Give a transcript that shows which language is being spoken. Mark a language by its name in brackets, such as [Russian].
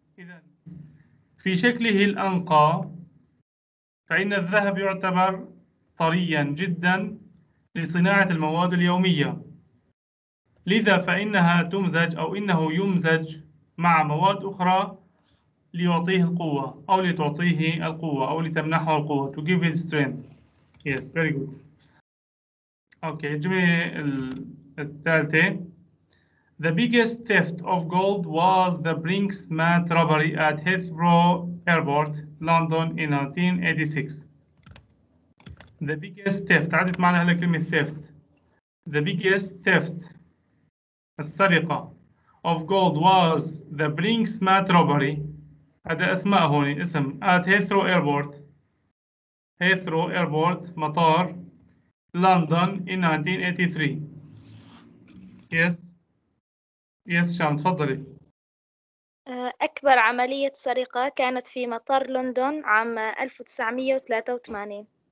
[Arabic] إذا في شكله الأنقى فإن الذهب يعتبر طريا جدا لصناعة المواد اليومية. لذا فإنها تمزج أو إنه يمزج مع مواد أخرى ليعطيه القوة أو لتعطيه القوة أو لتمنحه القوة [English] to give it strength. yes very good. okay [Arabic] الجملة الثالثة [English] the biggest theft of gold was the Brinksmat robbery at Heathrow Airport London in 1986. the biggest theft [Arabic] عدت معنا هلا كلمة [English] theft. the biggest theft [Arabic] السرقة [English] of gold was the Brinksmat robbery. [Arabic] هذا اسماء هون اسم [English] at Heathrow Airport. [Arabic] Heathrow Airport مطار لندن [English] in 1983. yes [Arabic] شام تفضلي. أكبر عملية سرقة كانت في مطار لندن عام 1983.